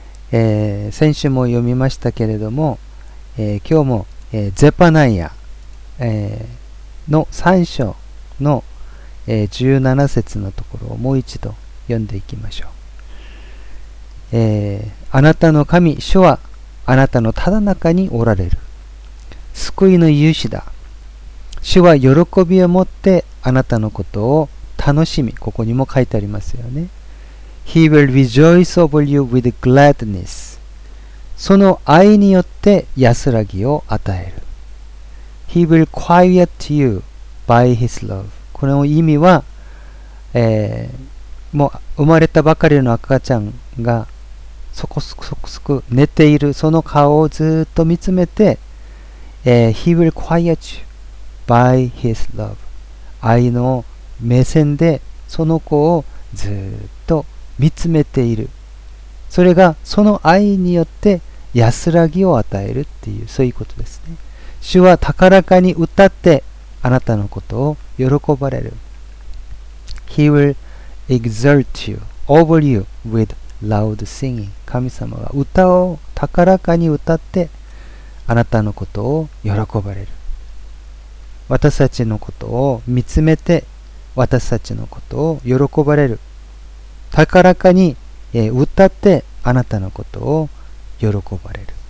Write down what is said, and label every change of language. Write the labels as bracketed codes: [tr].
[ja] 先週も読みましたけれども、今日も、ゼパナイア、の3章の、17節のところをもう一度読んでいきましょう。あなたの神主はあなたのただ中におられる。救いの勇士だ。主は喜びを持ってあなたのことを楽しみ、ここにも書いてありますよね。 [en] He will rejoice over you with gladness. [ja] その愛によって安らぎを与える。 [en] He will quiet you by his love. [ja] これの意味は、もう生まれたばかりの赤ちゃんがそこそこそこそこ寝ているその顔をずっと見つめて、 [en] He will quiet you by his love. [ja] 愛の目線でその子をずっと見つめている、それがその愛によって安らぎを与えるっていう、そういうことですね。主は高らかに歌ってあなたのことを喜ばれる。 [en] He will exalt you over you with loud singing. [ja] 神様は歌を高らかに歌ってあなたのことを喜ばれる。私たちのことを見つめて私たちのことを喜ばれる。高らかに歌ってあなたのことを喜ばれる。